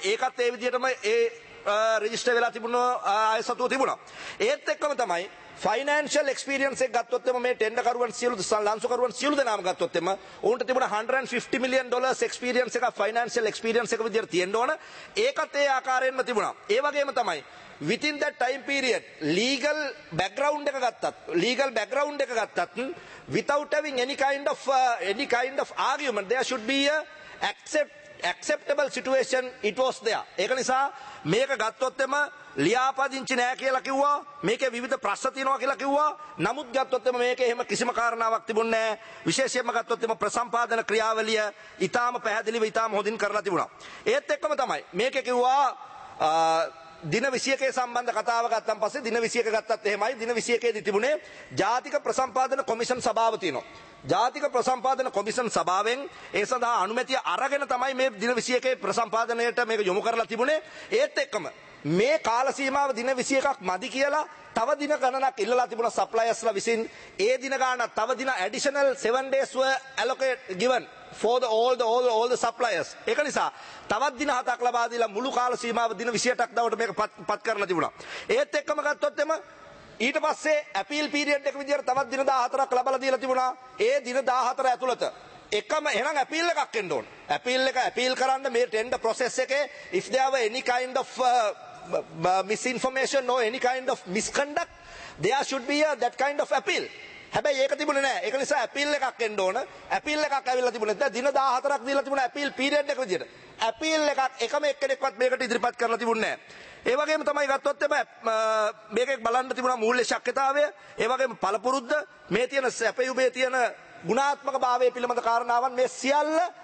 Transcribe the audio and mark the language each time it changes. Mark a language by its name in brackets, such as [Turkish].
[Sinhala] ඒකත් ඒ විදිහටම ඒ රෙජිස්ටර් වෙලා තිබුණා, ආය සතුව තිබුණා. ඒත් එක්කම තමයි ෆයිනෑන්ෂියල් එක්ස්පීරියන්ස් එක ගත්තොත් එම මේ ටෙන්ඩර් කරුවන් සියලු ලංසුකරුවන් සියලු දෙනාම ගත්තොත් එම උන්ට තිබුණා $150 million එක්ස්පීරියන්ස් එක ෆයිනෑන්ෂියල් එක්ස්පීරියන්ස් එක විදිහට තියෙන්න ඕන. ඒකත් ඒ ආකාරයෙන්ම තිබුණා. ඒ වගේම තමයි [English] within that time period legal background [Sinhala] එක ගත්තත් [English] without having any kind of argument there should be a acceptable situation it was there. [Sinhala] ඒක නිසා මේක ගත්තොත් එම ලියාපදිංචි නෑ කියලා කිව්වා. මේකේ විවිධ ප්‍රශ්න තියෙනවා කියලා කිව්වා. නමුත් ගත්තොත් එම මේකේ එහෙම කිසිම කාරණාවක් තිබුණ නෑ. විශේෂයෙන්ම ගත්තොත් එම ප්‍රසම්පාදන ක්‍රියාවලිය ඉතාම පැහැදිලිව ඉතාම හොඳින් කරලා තිබුණා. ඒත් එක්කම තමයි මේකේ කිව්වා දින 21 සම්බන්ධ කතාව ගත්තන් පස්සේ දින 21 ගත්තත් එහෙමයි. දින 21 දී තිබුණේ ජාතික ප්‍රසම්පාදන කොමිෂන් සභාව තියෙනවා. ජාතික ප්‍රසම්පාදන කොමිෂන් සභාවෙන් ඒ සඳහා අනුමැතිය අරගෙන තමයි මේ දින 21 ප්‍රසම්පාදනයට මේක යොමු කරලා තිබුණේ. ඒත් එක්කම මේ කාල සීමාව දින 21ක් මදි කියලා තව දින ගණනක් ඉල්ලලා තිබුණා සප්ලයර්ස්ලා විසින්. ඒ දින ගණන තව දින additional [English] 7 days were allocated given for all the suppliers. [Sinhala] ඒක නිසා තවත් දින 7ක් ලබා දීලා මුළු කාල සීමාව දින 28ක් දවට මේක පත් කරලා තිබුණා. ඒත් එක්කම ගත්තොත් එම ඊට පස්සේ appeal period එක විදිහට තවත් දින 14ක් ලබලා දීලා තිබුණා. ඒ දින 14 ඇතුළත එකම එහෙනම් appeal එකක් එන්න ඕන. [English] appeal [Sinhala] කරන්න මේ [English] tender process [Sinhala] එකේ [English] if there were any kind of misinformation or any kind of misconduct there should be that kind of appeal. [Sinhala] හැබැයි ඒක තිබුණේ නැහැ. ඒක නිසා appeal එකක් එන්න ඕන. appeal එකක් ඇවිල්ලා තිබුණේ නැහැ. දින 14ක් දීලා තිබුණා appeal period එක විදිහට. appeal එකක් එකම එක්කෙනෙක්වත් මේකට ඉදිරිපත් කරලා තිබුණේ නැහැ. ඒ වගේම තමයි ගත්තොත් එම මේකෙක් බලන්න තිබුණා මූල්‍ය ශක්්‍යතාවය. ඒ වගේම පළපුරුද්ද මේ තියෙන සැපයුමේ තියෙන ගුණාත්මකභාවය පිළිබඳ කාරණාවන් මේ සියල්ල